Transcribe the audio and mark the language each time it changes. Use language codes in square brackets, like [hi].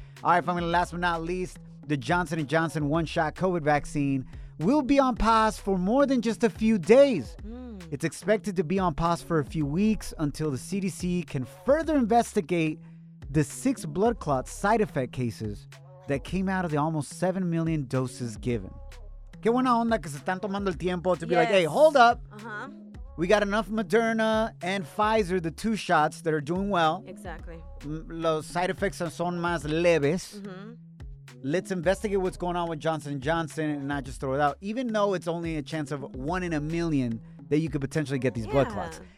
[en] All right, family, last but not least, the Johnson & Johnson one-shot COVID vaccine will be on pause for more than just a few days. It's expected to be on pause for a few weeks until the CDC can further investigate the 6 blood clot side effect cases that came out of the almost 7 million doses given. [es] Qué buena onda que se están tomando el tiempo [en] to be like, hey, hold up. We got enough Moderna and Pfizer, the two shots that are doing well. Exactly. [es] Los [en] side effects [es] son más leves. [en] Let's investigate what's going on with Johnson & Johnson and not just throw it out, even though it's only a chance of 1 in a million that you could potentially get these blood clots.